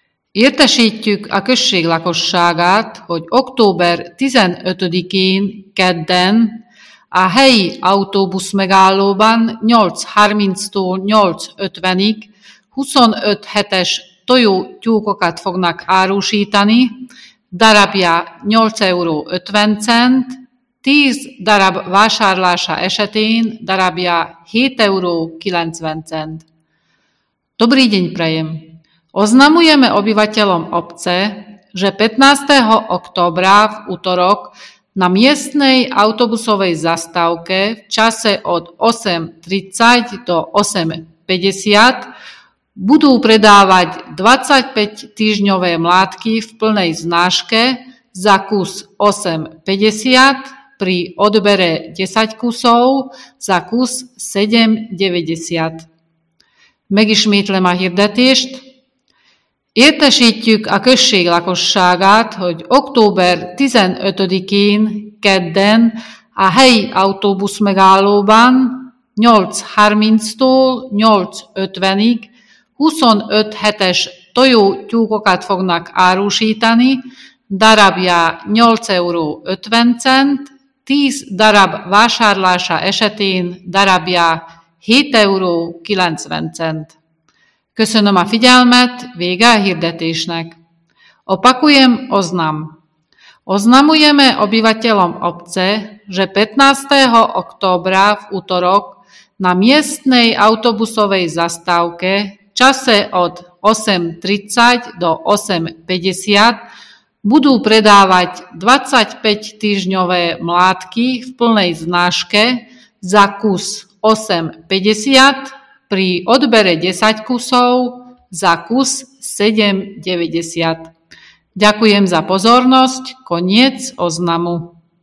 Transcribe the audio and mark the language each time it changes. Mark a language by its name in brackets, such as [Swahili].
[Hungarian] Értesítjük a község lakosságát, hogy október 15-én kedden a helyi autóbusz megállóban 8.30-tól 8.50-ig 25 hetes tojótyúkokat fognak árusítani, darabja 8,50 €, 10 darab vásárlása esetén darabja 7,90 €. [Slovak] Dobrý deň prajem. Oznamujeme obyvateľom obce, že 15. októbra v utorok na miestnej autobusovej zastávke v čase od 8.30 do 8.50 budú predávať 25-týždňové mládky v plnej znáške za kus 8.50 pri odbere 10 kusov za kus 7.90. [Hungarian] Megismétlem a hirdetést. Értesítjük a község lakosságát, hogy október 15-én kedden a helyi autóbusz megállóban 8.30-tól 8.50-ig 25 hetes tojótyúkokat fognak árusítani, darabja 8,50 €, 10 darab vásárlása esetén darabja 7,90 €. Köszönöm a figyelmet, vége a hirdetésnek. [Slovak] Opakujem oznam. Oznamujeme obyvateľom obce, že 15. októbra v utorok na miestnej autobusovej zastávke v čase od 8.30 do 8.50 budú predávať 25-týždňové mládky v plnej znáške za kus 8.50 pri odbere 10 kusov za kus 7,90. Ďakujem za pozornosť. Koniec oznamu.